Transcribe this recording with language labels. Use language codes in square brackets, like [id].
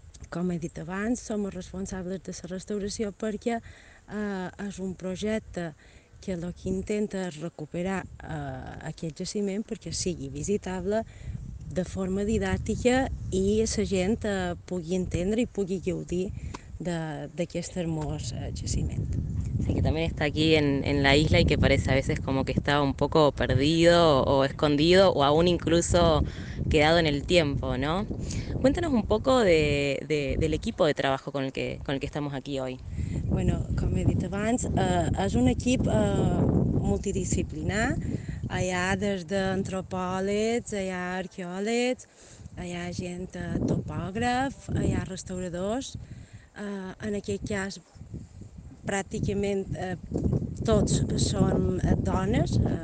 [ca] Com he dit abans, som els responsables de la restauració perquè és un projecte que el que intenta és recuperar aquest jaciment perquè sigui visitable de forma didàctica i la gent pugui entendre i pugui gaudir d'aquest hermós jaciment. Sí, que també està aquí [es] en la isla i que parece a veces como que está un poco perdido o escondido o aún incluso quedado en el tiempo, ¿no? Cuéntanos un poco del equipo de trabajo con el que estamos aquí hoy. [ca] Bueno, com he dit abans, és un equip multidisciplinar. Hi ha des d'antropòlegs, hi ha arqueòlegs, hi ha gent topògraf, hi ha restauradors. En aquest cas, pràcticament tots són dones.